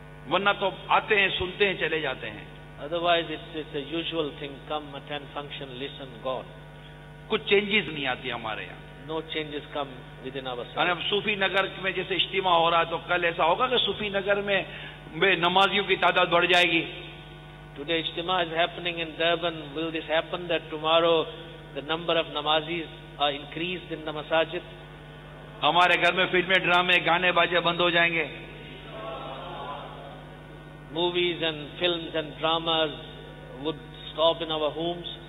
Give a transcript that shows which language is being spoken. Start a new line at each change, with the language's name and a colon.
Urdu: ورنہ تو آتے ہیں, سنتے ہیں, چلے جاتے ہیں.
English: Otherwise it's a usual thing, come, attend, function, listen, gone.
Urdu: کچھ changes نہیں آتی ہمارے یہاں.
English: No changes come within ourselves.
Urdu: اور اب صوفی نگر میں جیسے اجتماع ہو رہا ہے تو کل ایسا ہوگا کہ صوفی نگر میں نمازیوں کی تعداد بڑھ جائے گی.
English: Today Ijtima is happening in Durban. Will this happen that tomorrow the number of namazis are increased in the masajid?
Urdu: Hamare ghar mein filmen, drama, gaane, baaje band ho jayenge.
English: Movies and films and dramas would stop in our homes.